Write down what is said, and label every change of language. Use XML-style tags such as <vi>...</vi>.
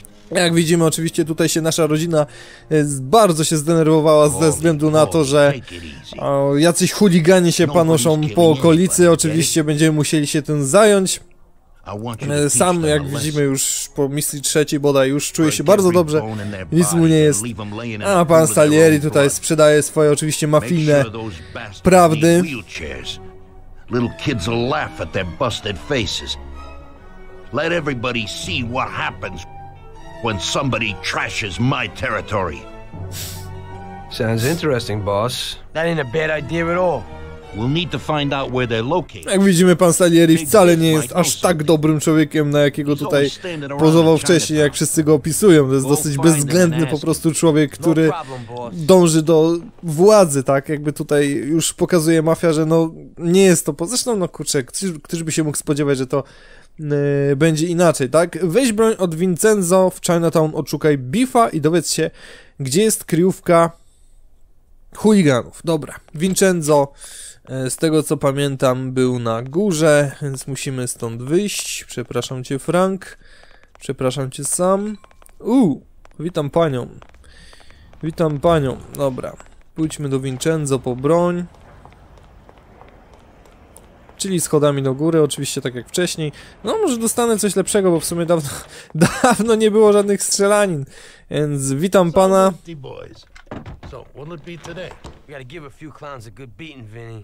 <pl>Jak widzimy, oczywiście tutaj się nasza rodzina bardzo się zdenerwowała ze względu na to, że jacyś chuligani się panoszą po okolicy. Oczywiście będziemy musieli się tym zająć. Sam, jak widzimy, już po misji trzeciej bodaj już czuje się bardzo dobrze, nic mu nie jest. A pan Salieri tutaj sprzedaje swoje oczywiście mafijne prawdy.</pl> <en>Little kids will laugh at their busted faces. Let everybody see what happens when somebody trashes my territory. Sounds interesting, boss. That ain't a bad idea at all. We'll need to find out where they're located.</en> <pl>Jak widzimy, pan Salieri wcale nie jest aż tak dobrym człowiekiem, na jakiego tutaj pozował wcześniej, jak wszyscy go opisują. To jest dosyć bezwzględny po prostu człowiek, który dąży do władzy, tak? Jakby tutaj już pokazuje mafia, że no nie jest to... Zresztą, no kurczę, ktoś by się mógł spodziewać, że to będzie inaczej, tak? Weź broń od Vincenzo w Chinatown, odszukaj Beefa i dowiedz się, gdzie jest kryjówka chuliganów. Dobra, Vincenzo, z tego co pamiętam, był na górze, więc musimy stąd wyjść. Przepraszam cię, Frank. Przepraszam cię, Sam. Witam panią. Witam panią. Dobra, pójdźmy do Vincenzo po broń. Czyli schodami do góry, oczywiście tak jak wcześniej. No może dostanę coś lepszego, bo w sumie dawno nie było żadnych strzelanin. Więc witam pana.</pl> <en>So, what'll it be today? We gotta give a few clowns a good beating, Vinny.</en>